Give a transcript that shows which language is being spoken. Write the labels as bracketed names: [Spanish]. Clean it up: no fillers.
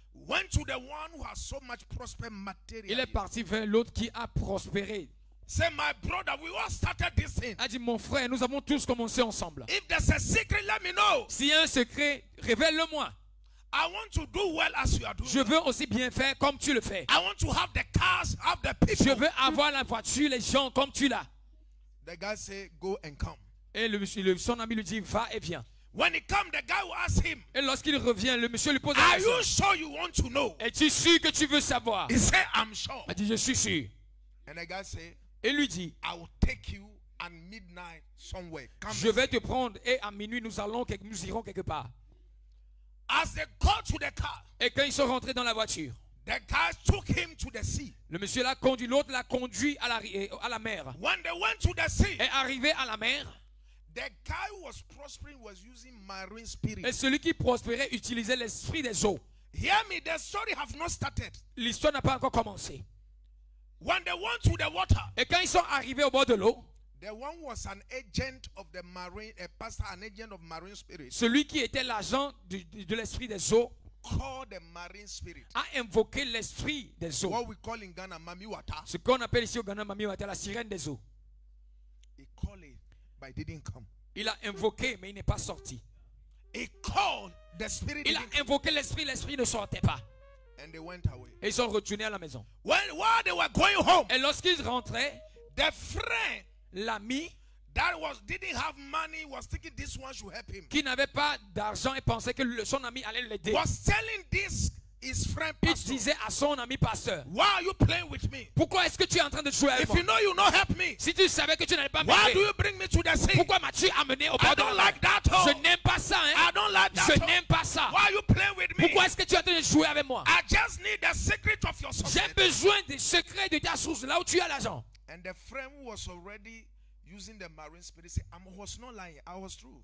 [English] Went to the one who has so much prosper material. [French] Il est parti vers l'autre qui a prospéré. [English] Say, my brother, we all started this thing. [French] A dit, mon frère, nous avons tous commencé ensemble. [English] If there's a secret, let me know. [French] S'il y a un secret, révèle-le-moi. [English] I want to do well as you are doing. [French] Je veux aussi bien faire comme tu le fais. [English] I want to have the cars, have the people. [French] Je veux avoir la voiture, les gens comme tu l'as. [English] The guy say, go and come. [French] Et le son ami lui dit, va et viens. [English] When he come, the guy will ask him. [French] Et lorsqu'il revient, le monsieur lui pose la [English] question. Are you sure you want to know? [French] Es-tu sûr que tu veux savoir? [English] He said, I'm sure. [French] A dit, je suis sûr. [English] And the guy say, [French] et lui dit, [English] I will take you at midnight somewhere. Come. [French] Je vais te prendre et à minuit nous irons quelque part. [English] As they got to the car. [French] Et quand ils sont rentrés dans la voiture. [English] The car took him to the sea. [French] Le monsieur l'a conduit, l'autre l'a conduit à la mer. [English] When they went to the sea. [French] Et arrivé à la mer. [English] The guy who was prospering was using marine spirit. [French] Et celui qui prospérait utilisait l'esprit des eaux. [English] Hear me, the story have not started. [French] L'histoire n'a pas encore commencé. [English] When they went to the water. [French] Et quand ils sont arrivés au bord de l'eau. [English] The one was an agent of the marine, a pastor, an agent of marine spirit. [French] Celui qui était l'agent de l'esprit des eaux. [English] Called the marine spirit. [French] A invoqué l'esprit des eaux. [English] What we call in Ghana Mami Wata. [French] Ce qu'on appelle ici au Ghana Mami Wata, la sirène des eaux. [English] He called it, but it didn't come. [French] Il a invoqué, mais il n'est pas sorti. [English] He called the spirit. [French] Il a invoqué l'esprit ne sortait pas. [English] And they went away. [French] Et ils sont retournés à la maison. [English] When, while they were going home. [French] Et lorsqu'ils rentraient, [English] the friend. [French] L'ami [English] that was didn't have money was thinking this one should help him. [French] Qui n'avait pas d'argent et pensait que son ami allait l'aider. [English] Was telling this his friend pastor. [French] Il disait à son ami pasteur. [English] Why are you playing with me? [French] Pourquoi est-ce que tu es en train de jouer avec moi? [English] If you know you not help me. [French] Si tu savais que tu n'allais pas m'aider. [English] Why do you bring me to the sea? [French] Pourquoi m'as-tu amené au bord de la mer? [English] I don't like that. [French] Je n'aime pas ça. Hein? [English] I don't like that. [French] Je n'aime pas ça. [English] Why are you playing with me? [French] Pourquoi est-ce que tu es en train de jouer avec moi? [English] I just need the secret of your source. [French] J'ai besoin des secrets de ta source là où tu as l'argent. [English] And the friend who was already using the marine spirit said, I was not lying, I was true.